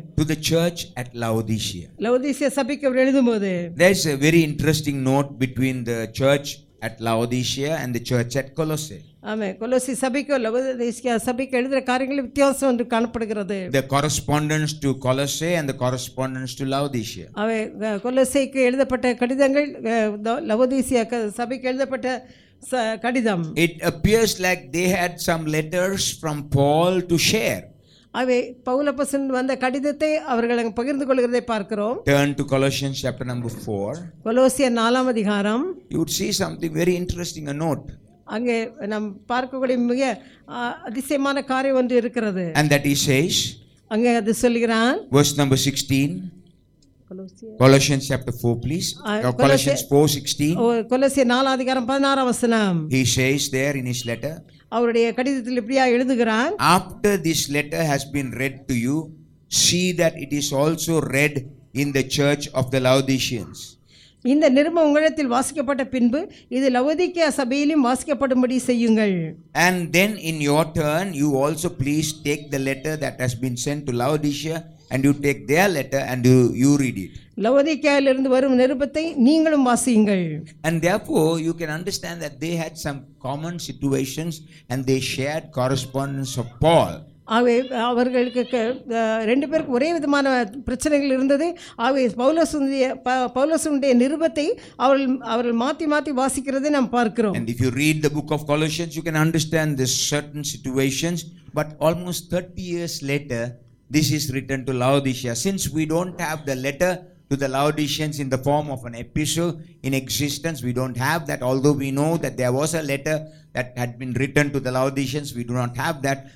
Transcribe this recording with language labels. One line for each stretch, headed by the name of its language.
English: to the church at Laodicea.
Tamil: லவோதிசியா சபைக்கு அவர் எழுதும்போது,
English: there is a very interesting note between the church at Laodicea and the church at Colossae.
Tamil: ஆமே, கொலோசி சபைக்கு லவோதிசியா சபைக்கு எழுதுகிற காரியங்களில் வித்தியாசம் என்று காணப்படுகிறது.
English: The correspondence to Colossae and the correspondence to Laodicea.
Tamil: ஆமே, கொலோசைக்கு எழுதப்பட்ட கடிதங்கள் லவோதிசியா சபைக்கு எழுதப்பட்ட கடிதம்.
English: It appears like they had some letters from Paul to share.
Tamil: அவே பவுல் அப்போஸ்தலன் வந்த கடிதத்தை அவர்கள் அங்கு பகிர்ந்து கொள்கிறதை பார்க்கிறோம்.
English: Turn to Colossians chapter number 4.
Tamil: கொலோசியர் 4:4.
English: You would see something very interesting, a note.
Tamil: அங்கே நாம் பார்க்கக்கூடிய மிக அதிசயமான காரியம் ஒன்று இருக்கிறது.
English: And that he says.
Tamil: அங்கே அது சொல்கிறான்.
English: Verse number 16. Colossians chapter 4 please. Colossians 4:16.
Tamil: கொலோசியர் 4:16.
English: He says there in his letter.
Tamil: அவருடைய கடிதத்தில் இப்படியா எழுதுகிறான்.
English: After this letter has been read to you, see that it is also read in the church of the Laodiceans.
Tamil: இந்த நிருபம் உங்களிடத்தில் வாசிக்கப்பட்ட பின்பு இது Laodicea சபையிலும் வாசிக்கப்படும்படி செய்யுங்கள்.
English: And then in your turn you also please take the letter that has been sent to Laodicea and you take their letter and you read it.
Tamil: Laodicea இருந்து வரும் நிருபத்தை நீங்களும் வாசியுங்கள்.
English: And therefore you can understand that they had some common situations and they shared correspondence of Paul.
Tamil: ஆகவே அவர்களுக்கு ரெண்டு பேருக்கு ஒரே விதமான பிரச்சனைகள் இருந்தது. ஆகவே பவுலசுடைய நிருபத்தை அவர்கள் மாற்றி வாசிக்கிறதை நாம் பார்க்கிறோம்.
English: And if you read the book of Colossians, you can understand this certain situations. But almost 30 years later, this is written to Laodicea. Since we don't have the letter to the Laodiceans in the form of an epistle in existence, we don't have that. Although we know that there was a letter that had been written to the Laodiceans, we do not have that.